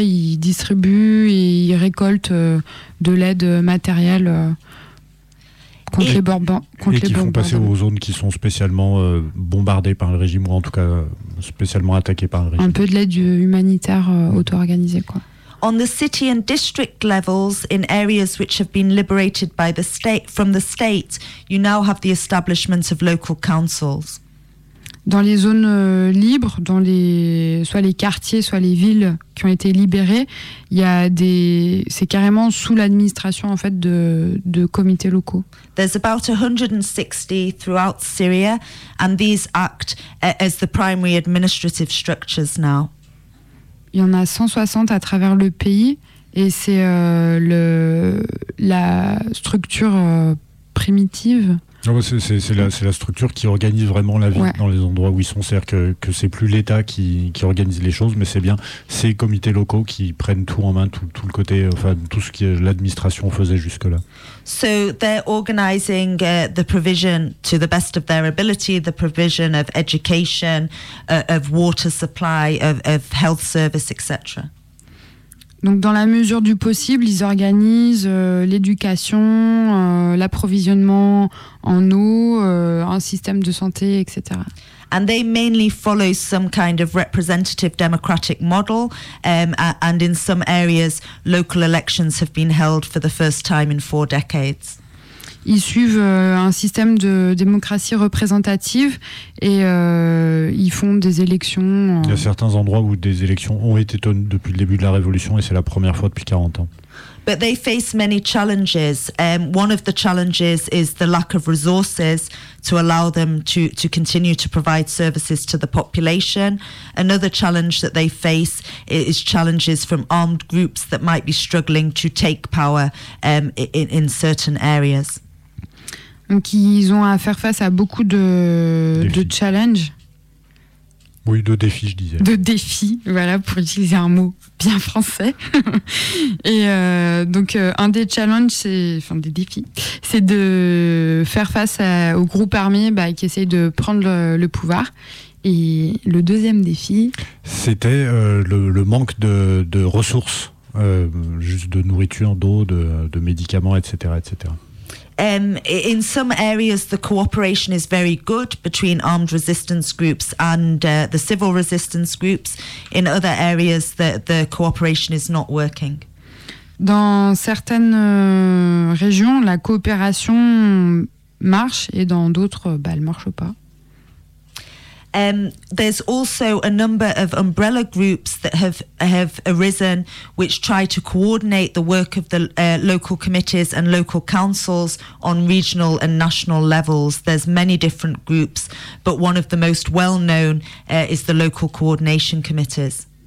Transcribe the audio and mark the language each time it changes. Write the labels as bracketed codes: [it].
[fr] Ils distribuent et ils récoltent de l'aide matérielle contre les bombardements. Et qui font passer aux zones qui sont spécialement bombardées par le régime, ou en tout cas spécialement attaquées par le régime. Un peu de l'aide humanitaire auto-organisée, quoi. [en] On the city and district levels, in areas which have been liberated by the state, from the state, you now have the establishment of local councils. [fr] Dans les zones libres, dans soit les quartiers, soit les villes qui ont été libérées, il y a c'est carrément sous l'administration, en fait, de comités locaux. [en] There's about 160 throughout Syria, and these act as the primary administrative structures now. [fr] Il y en a 160 à travers le pays, et c'est la structure primitive. Non, c'est la structure qui organise vraiment la vie, ouais, dans les endroits où ils sont. C'est-à-dire que c'est plus l'État qui organise les choses, mais c'est bien ces comités locaux qui prennent tout en main, tout le côté, enfin tout ce que l'administration faisait jusque-là. [en] So they're organizing the provision to the best of their ability, the provision of education, of water supply, of health service, etc. [fr] Donc dans la mesure du possible, ils organisent l'éducation, l'approvisionnement en eau, un système de santé, etc. [en] And they mainly follow some kind of representative democratic model, and in some areas, local elections have been held for the first time in four decades. [fr] Ils suivent un système de démocratie représentative et ils font des élections. Il y a certains endroits où des élections ont été tenues depuis le début de la révolution et c'est la première fois depuis 40 ans. [en] But they face many challenges. One of the challenges is the lack of resources to allow them to continue to provide services to the population. Another challenge that they face is challenges from armed groups that might be struggling to take power in certain areas. [fr] Donc ils ont à faire face à beaucoup de challenges. Oui, de défis, je disais. De défis, voilà, pour utiliser un mot bien français. Et un des challenges, des défis, c'est de faire face au groupe armé qui essaye de prendre le pouvoir. Et le deuxième défi... C'était le manque de ressources, juste de nourriture, d'eau, de médicaments, etc., etc. [en] In some areas, the cooperation is very good between armed resistance groups and the civil resistance groups. In other areas, the cooperation is not working. [fr] Dans certaines régions, la coopération marche, et dans d'autres, elle marche pas. [en] There's also a number of umbrella groups that have arisen, which try to coordinate the work of the local committees and local councils on regional and national levels. There's many different groups, but one of the most well-known is the local coordination committees.